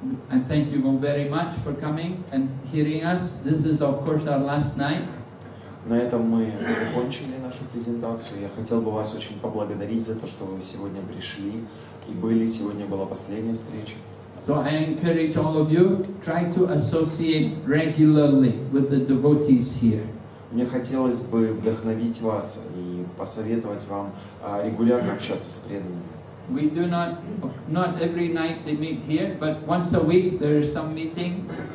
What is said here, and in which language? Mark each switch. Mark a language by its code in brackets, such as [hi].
[en] I thank you all very much for coming and hearing us. This is, of course, our last night. [ru] На этом мы закончили нашу презентацию. Я хотел бы вас очень поблагодарить за то, что вы сегодня пришли и были. Сегодня была последняя встреча. [en] So I encourage all of you try to associate regularly with the devotees here. [ru] Мне хотелось бы вдохновить вас и посоветовать вам регулярно общаться с преданными. [en] We do not every night they meet here, but once a week there is some meeting.